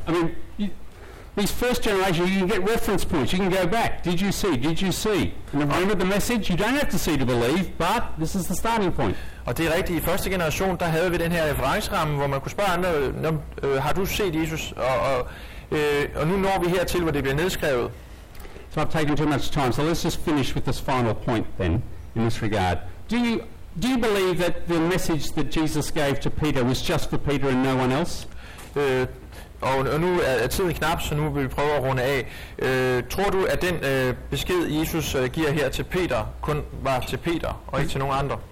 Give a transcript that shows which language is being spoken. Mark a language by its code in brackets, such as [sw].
[en] I mean, these first generation, you can get reference points. You can go back. Did you see? And remember the message? You don't have to see to believe, but this is the starting point. [da] Og det er rigtigt. I første generation, der havde vi den her referenceramme, hvor man kunne spørge andre, har du set Jesus? Og nu når vi hertil, hvor det bliver nedskrevet. [en] So I've taken too much time, so let's just finish with this final point then, in this regard. Do you believe that the message that Jesus gave to Peter was just for Peter and no one else? [da] Og nu er tiden knap, så nu vil vi prøve at runde af. Tror du, at den besked Jesus giver her til Peter kun var til Peter og ikke til nogen andre?